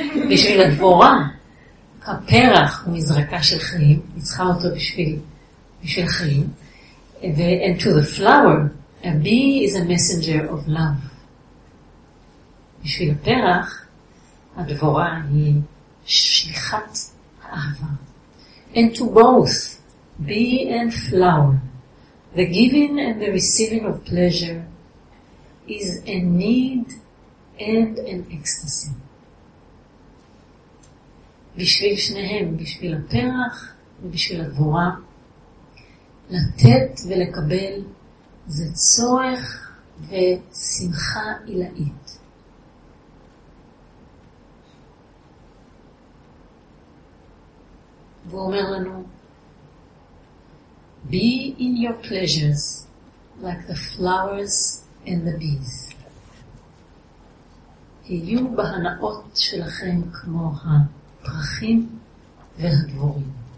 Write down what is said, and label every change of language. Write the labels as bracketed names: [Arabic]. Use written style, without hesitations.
[Hebrew] בשביל הדבורה הפרח הוא מזרקה של חיים, נצחה אותו בשביל חיים. [English] And to the flower a bee is a messenger of love. [Hebrew] בשביל הפרח הדבורה היא שליחת אהבה. [English] And to both bee and flower the giving and the receiving of pleasure is a need and an ecstasy. [Hebrew] בשביל שניהם, בשביל הפרח ובשביל הדבורה, לתת ולקבל זה צורך ושמחה עילאית. והוא אומר לנו, [English] be in your pleasures like the flowers and the bees. [Hebrew] היו בהנאות שלכם כמו הפרחים והדבורים.